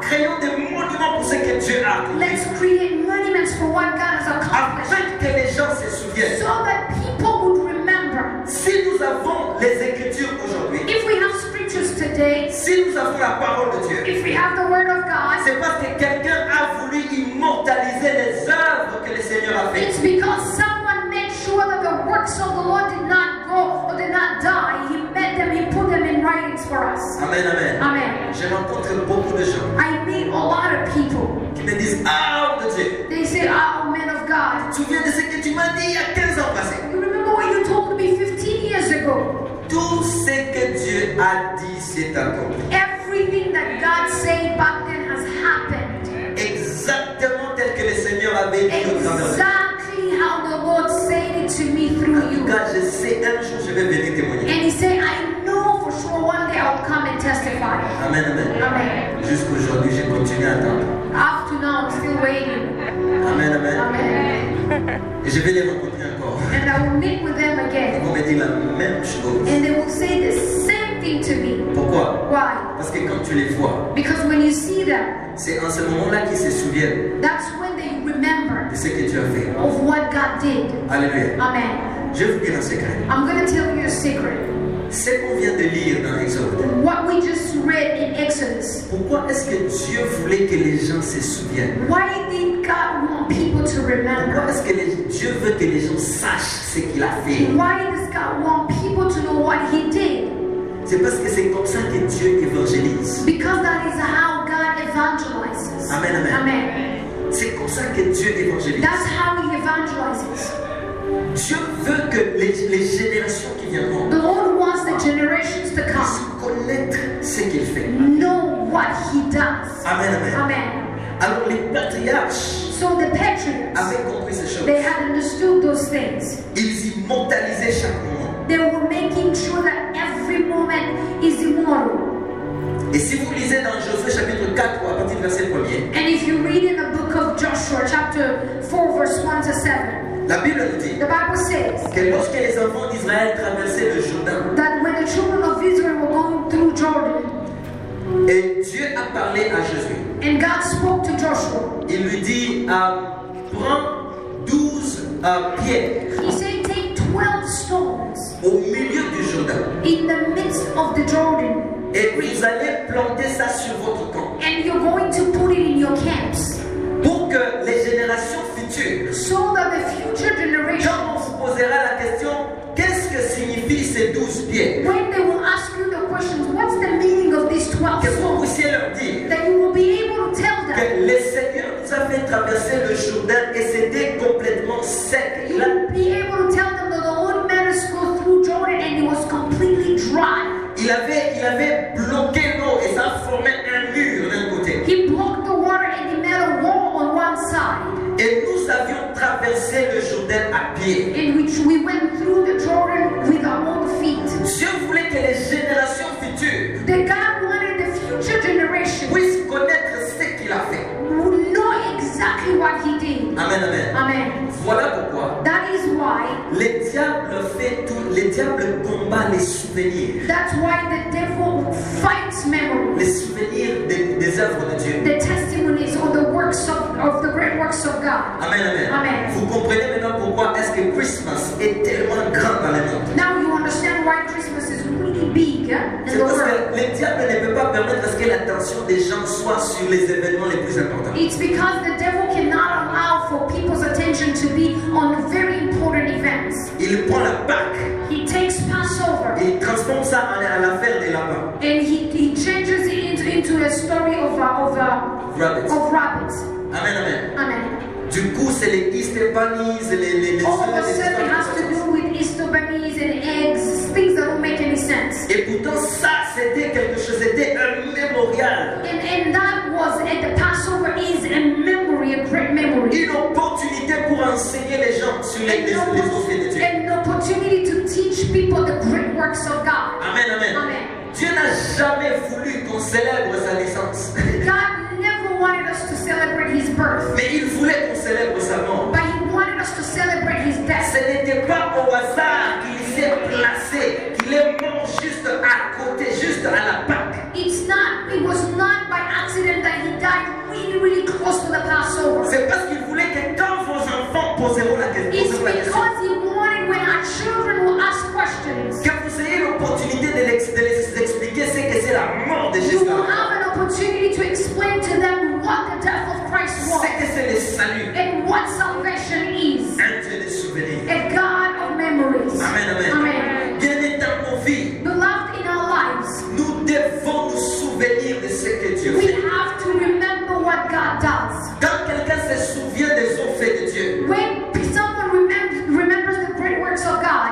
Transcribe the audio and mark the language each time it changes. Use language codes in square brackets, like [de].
[fr] Créons des monuments pour ce que Dieu a accompli. [en] Let's create monuments for what God has accomplished. [fr] Afin que les gens se souviennent. [en] So that people would remember. [fr] Si nous avons les Écritures aujourd'hui. [en] If we have scriptures today. [fr] Si nous avons la parole de Dieu. [en] If we have the word of God. [fr] C'est parce que quelqu'un a voulu immortaliser les œuvres que le Seigneur a faites. [en] It's because someone made sure that the works of the Lord did not go or did not die. He made them, he put them in writings for us. Amen, amen. Amen. [fr] Je rencontre beaucoup de gens. [en] I meet a lot of people. [fr] Qui me disent, ah, homme de Dieu. [en] They say, ah, oh, man of God. [fr] Tu te souviens de ce que tu m'as dit il y a 15 ans passé. [en] You remember what you told me 15 years ago. [fr] Tout ce que Dieu a dit s'est accompli. [en] Everything that God said back then has happened. [fr] Exactement tel que le Seigneur avait dit au travers. [en] Exactly how the Lord said it to me through you. [fr] En tout cas, je sais, un jour je vais venir témoigner. [en] And he said, I know for sure one day I'll come and testify. Amen, amen. Amen. [fr] Jusqu'aujourd'hui, j'ai continué à attendre. [en] Up to now, I'm still waiting. Amen, amen. Amen. [fr] Et je vais les rencontrer encore. [en] And I will meet with them again. [fr] Ils vont me dire la même chose. [en] And they will say the same thing to me. [fr] Pourquoi? [en] Why? [fr] Parce que quand tu les vois. [en] Because when you see them. [fr] C'est en ce moment-là qu'ils se souviennent. [en] That's when they remember. [fr] De ce que Dieu a fait. [en] Of what God did. Alléluia. Amen. [fr] Je vais vous dire un secret. [en] I'm going to tell you a secret. [fr] C'est qu'on vient de lire dans Exode. [en] What we just read in Exodus. [fr] Pourquoi est-ce que Dieu voulait que les gens se souviennent? [en] Why did God want people to remember? [fr] Pourquoi est-ce que Dieu veut que les gens sachent ce qu'il a fait? [en] Why does God want people to know what he did? [fr] C'est parce que c'est comme ça que Dieu évangélise. [en] Because that is how God evangelizes. Amen, amen. Amen. [fr] C'est comme ça que Dieu évangélise. [en] That's how he evangelizes. [fr] Dieu veut que les générations qui viendront. [en] The Lord wants the generations to come. [fr] Connaître ce qu'il fait. [en] Know what he does. Amen, amen. Amen. [fr] Alors les patriarches. [en] So the patriarchs. [fr] Avaient compris ces choses. [en] They had understood those things. [fr] Ils immortalisaient chaque moment. [en] They were making sure that every moment is immortal. [fr] Et si vous lisez dans Josué chapitre 4 à partir du verset 1er, [en] and if you read in the book of Joshua chapter 4 verse 1 to 7, [fr] la Bible nous dit, [en] the Bible says, [fr] que lorsque les enfants d'Israël traversaient le Jourdain, [en] that when the children of Israel were going through Jordan, [fr] et Dieu a parlé à Josué, [en] and God spoke to Joshua, [fr] il lui dit, prends 12 pierres. [en] He said, take 12 stones [fr] au milieu du Jourdain, [en] in the midst of the Jordan, [fr] et vous allez planter ça sur votre camp, [en] and you're going to put it in your camps, [fr] pour que les générations futures, [en] so that the future generations, [fr] quand on vous posera la question, qu'est-ce que signifient ces 12 pierres, [en] when they will ask you the questions, what's the meaning of these 12 stones, [fr] vous puissiez leur dire, [en] that you will be able to tell them, [fr] que le Seigneur nous a fait traverser le Jourdain et c'était complètement sec, [en] you will be able to tell them that the Lord made us go through Jordan and it was completely dry. [fr] Il avait bloqué l'eau et ça formait un mur d'un côté. [en] He blocked the water and he made a wall on one side. [fr] Et nous avions traversé le Jourdain à pied. [en] In which we went through the Jordan with our own feet. [fr] Dieu voulait que les générations futures, [en] the God wanted the future generation, [fr] puissent connaître ce qu'il a fait. [en] Would know exactly what he did. Amen, amen. Amen. [fr] Voilà pourquoi. [en] That is why. [fr] Le diable fait tout. Le diable combat les souvenirs. [en] That's why the devil fights memories. [fr] Les souvenirs des œuvres de Dieu. [en] The testimonies or the works of the great works of God. Amen, amen. Amen. [fr] Vous comprenez maintenant pourquoi est-ce que Christmas est tellement grand dans le monde. [en] Now you understand why Christmas is really big. [fr] C'est parce que le diable ne peut pas permettre que l'attention des gens soit sur les événements les plus importants. [en] It's because the devil cannot allow for people's attention to be on very important events. [fr] Il prend la Pâque. [en] He takes Passover. [fr] Et il transforme ça en l'affaire des lapins. [en] And he changes it into a story of rabbits. Amen, amen. Amen. [fr] Du coup, c'est les [en] Easter bunnies, [fr] les [en] all of a sudden has to do with Easter bunnies and eggs, things that don't make any sense. [fr] Et pourtant, ça, c'était quelque chose, c'était un mémorial. [en] And that was, and the Passover is a memory, a great memory. [fr] Une opportunité pour enseigner les gens sur les offices de Dieu. [en] An opportunity to teach people the great works of God. Amen, amen. Amen. [fr] Dieu n'a jamais voulu qu'on célèbre sa naissance. [en] God never wanted us to celebrate his birth. [fr] Mais il voulait qu'on célèbre sa mort. [en] But he wanted us to celebrate his death. [fr] Ce n'était pas au hasard qu'il s'est placé, qu'il est mort juste à côté, juste à la Pâque. [en] It was not by accident that he died really, really close to the Passover. [fr] C'est parce qu'il voulait que quand vos enfants poseront la question. [en] It's because he wanted when our children will ask questions. [fr] Que vous ayez l'opportunité de l'expliquer ce que c'est la mort de Jésus. [en] You will have an opportunity to explain to them what the death of Christ was. [fr] Ce que c'est le salut. [en] And what salvation is. [fr] Un Dieu de souvenirs. [en] A God of memories. Amen, amen. Amen. [fr] Bien est dans nos vies. [en] Beloved in our lives. [fr] Nous devons nous souvenir de ce que Dieu fait. [en] We have to remember what God does. [fr] Quand quelqu'un se souvient des faits de Dieu, [en] when someone remembers the great works of God,